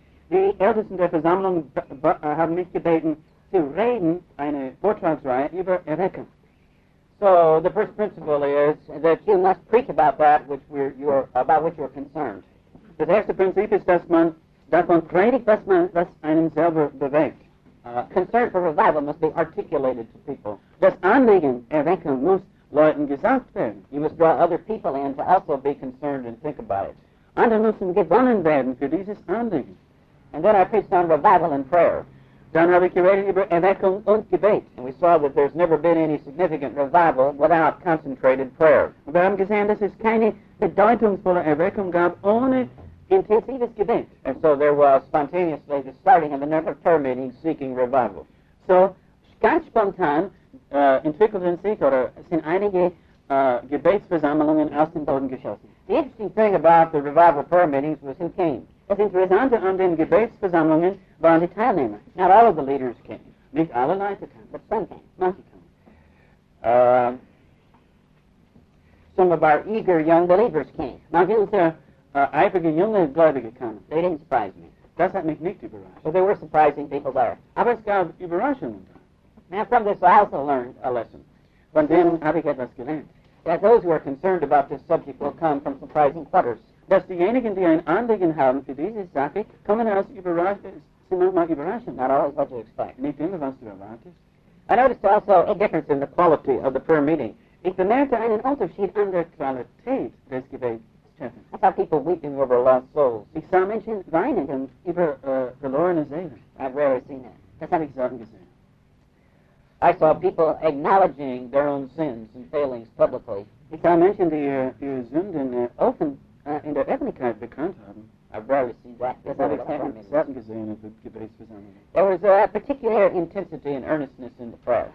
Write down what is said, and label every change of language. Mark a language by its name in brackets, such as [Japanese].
[German] Die Ältesten der Versammlung haben mich gebeten, zu reden eine Vortragsreihe über Erweckung. [English] So the first principle is that you must preach about that about which you're concerned. [German] Das erste Prinzip ist, dass man davon predigt, was einem selber bewegt. [English] Concern for revival must be articulated to people. [German] Das Anliegen Erweckung muss Leuten gesagt werden. [English] You must draw other people in to also be concerned and think about it. [German] Andere müssen gewonnen werden für dieses Anliegen. [English] And then I preached on revival and prayer. [German] Dann habe ich geredet über Erweckung und Gebet. [English] And we saw that there's never been any significant revival without concentrated prayer. [German] Wir haben gesehen, dass es keine bedeutungsvolle Erweckung gab ohne intensives Gebet. [English] And so there was spontaneously the starting of another prayer meeting seeking revival. [German] So ganz spontan entwickelten sich oder sind einige Gebetsversammlungen aus dem Boden geschossen. [English] The interesting thing about the revival prayer meetings was who came. [German] Das Interessante an den Gebetsversammlungen waren die Teilnehmer. [English] Not all of the leaders came. [German] Nicht alle Leute kamen, [English] but some came. [German] Manche kamen. [English] Some of our eager young believers came. [German] Manche unserer eifrige junge Gläubige kamen. [English] They didn't surprise me. [German] Das hat mich nicht überrascht. [English] But there were surprising people there. [German] Aber es gab Überraschungen da. [English] Now from this I also learned a lesson. [German] Von dem habe ich etwas gelernt. [English] That those who are concerned about this subject will come from surprising quarters. [German] Dass diejenigen, die ein Anliegen haben für diese Sache, kommen aus überraschend, sind manchmal überraschend. [English] Not always what you expect. [German] Nicht immer, was du erwartest. [English] I noticed also a difference in the quality of the prayer meeting. [German] Ich bemerkte einen Unterschied an der Qualität des Gebets. [English] I saw people weeping over lost souls. [German] Ich sah Menschen weinen über verlorene Seelen. [English] I've rarely seen that. [German] Das habe ich selten gesehen. [English] I saw people acknowledging their own sins and failings publicly. [German] Ich sah Menschen, die ihr Sünden offen in der Öffentlichkeit bekannt haben. [English] I've rarely seen that. [German] Das habe ich selten gesehen in der Gebetsversammlung. [English] There was a particular intensity and earnestness in the prayer.